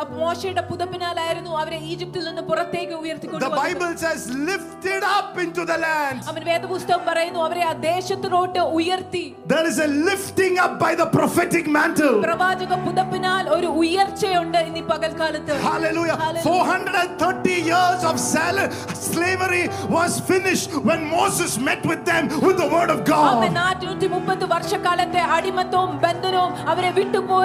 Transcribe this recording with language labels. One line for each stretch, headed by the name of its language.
Malayalam: മോശയുടെ പുതപ്പിനാലായിരുന്നു അവരെ ഈജിപ്തിൽ നിന്ന് പുറത്തേക്ക് ഉയർത്തിക്കൊണ്ടു.
English: The Bible says lifted up into the land.
Malayalam: അവരെ വേദപുസ്തകം പറയുന്നു അവരെ ആ ദേശത്തിലോട്ട് ഉയർത്തി.
English: There is a lifting up by the prophetic mantle.
Malayalam: പ്രവാചക പുതപ്പിനാൽ ഒരു ഉയർച്ചയുണ്ട് ഇന്ന് പകൽക്കാലത്ത്.
English: Hallelujah. 430 years of slavery was finished when Moses met with them with the word of God.
Malayalam: അവർ 430 വർഷക്കാലത്തെ അടിമത്തവും ബന്ധനവും അവരെ വിട്ടു